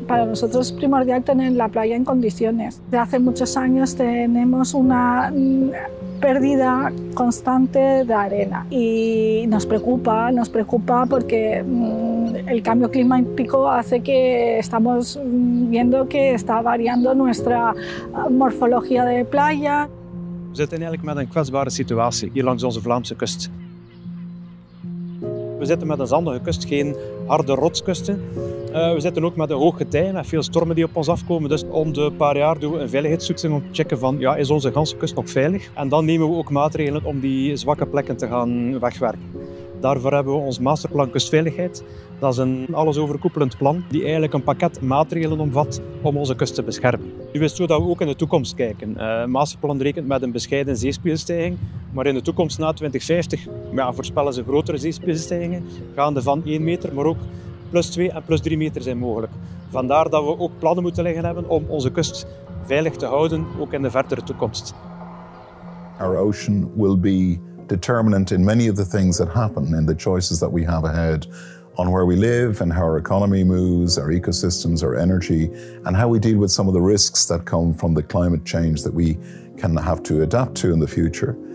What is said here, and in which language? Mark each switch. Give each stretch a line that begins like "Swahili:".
Spanish: Para nosotros es primordial tener la playa en condiciones. Desde hace muchos años tenemos una pérdida constante de arena y nos preocupa porque el cambio climático hace que estamos viendo que está variando nuestra morfología de playa.
Dutch: We zitten eigenlijk met een kwetsbare situatie hier langs onze Vlaamse kust. We zitten met een zandige kust, geen harde rotskusten. We zitten ook met een hoog getij en veel stormen die op ons afkomen. Dus om de paar jaar doen we een veiligheidstoetsing om te checken van ja, is onze ganse kust nog veilig? En dan nemen we ook maatregelen om die zwakke plekken te gaan wegwerken. Daarvoor hebben we ons masterplan Kustveiligheid. Dat is een allesoverkoepelend plan die eigenlijk een pakket maatregelen omvat om onze kust te beschermen. Nu is het zo dat we ook in de toekomst kijken. Masterplan rekent met een bescheiden zeespiegelstijging. Maar in de toekomst na 2050 ja, voorspellen ze grotere zeespiegelstijgingen. Gaande van 1 meter, maar ook plus 2 en plus 3 meter zijn mogelijk. Vandaar dat we ook plannen moeten liggen hebben om onze kust veilig te houden, ook in de verdere toekomst.
English: Our ocean will be determinant in many of the things that happen, in the choices that we have ahead, on where we live and how our economy moves, our ecosystems, our energy, and how we deal with some of the risks that come from the climate change that we can have to adapt to in the future.